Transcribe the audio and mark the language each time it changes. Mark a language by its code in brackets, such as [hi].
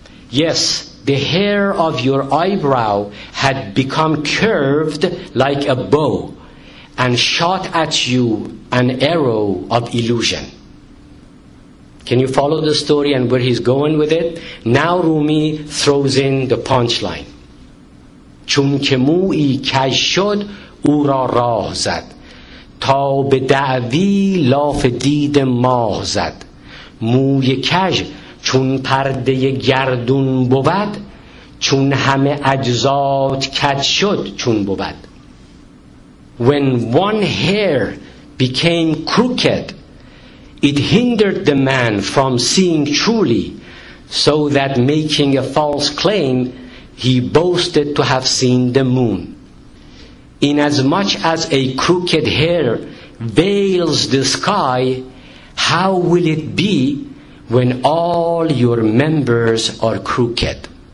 [en] "Yes, the hair of your eyebrow had become curved like a bow and shot at you an arrow of illusion." Can you follow the story and where he's going with it? Now Rumi throws in the punchline. [fa] چون که مویی کج شد او را راه زد تا به دعوی لاف دید ماه زد موی کج چون پرده گردون بود چون همه اجزات کج شد چون بود. [en] When one hair became crooked, it hindered the man from seeing truly, so that making a false claim, he boasted to have seen the moon. Inasmuch as a crooked hair veils the sky, how will it be when all your members are crooked?